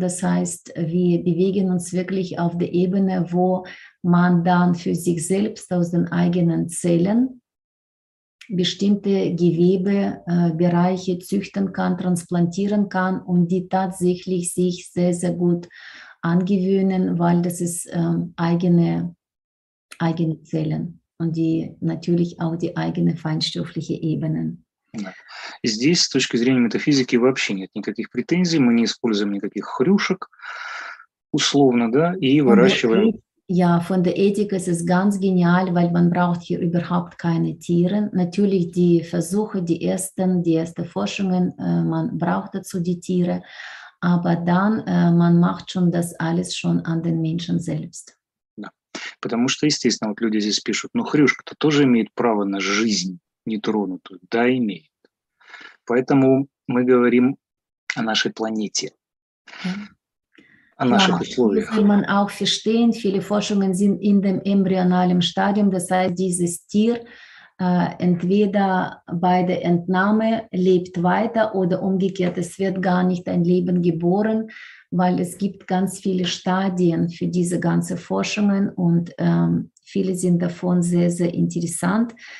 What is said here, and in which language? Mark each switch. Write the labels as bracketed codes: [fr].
[de] Das heißt, wir bewegen uns wirklich auf der Ebene, wo man dann für sich selbst aus den eigenen Zellen bestimmte Gewebebereiche züchten kann, transplantieren kann und die tatsächlich sich sehr, sehr gut angewöhnen, weil das ist eigene Zellen und die natürlich auch die eigene feinstoffliche Ebene. [ru] И здесь, с точки зрения метафизики, вообще нет никаких претензий. Мы не используем никаких хрюшек, условно, да, и выращиваем. [de] Ja, von der Ethik ist es ganz genial, weil man braucht hier überhaupt keine Tiere. Natürlich die Versuche, die ersten Forschungen, man braucht dazu die Tiere. Aber dann, man macht schon das alles schon an den Menschen selbst. [ru] Ja, потому что, естественно, вот люди здесь пишут, ну, хрюшка-то тоже имеет право на жизнь. Нетронутую, да, имеет. Поэтому мы говорим о нашей планете, о наших условиях. [de] Das muss man auch verstehen, viele Forschungen sind in dem embryonalen Stadium, das heißt, dieses Tier entweder bei der Entnahme lebt weiter oder umgekehrt, es wird gar nicht ein Leben geboren, weil es gibt ganz viele Stadien für diese ganze Forschungen und viele sind davon sehr, sehr interessant.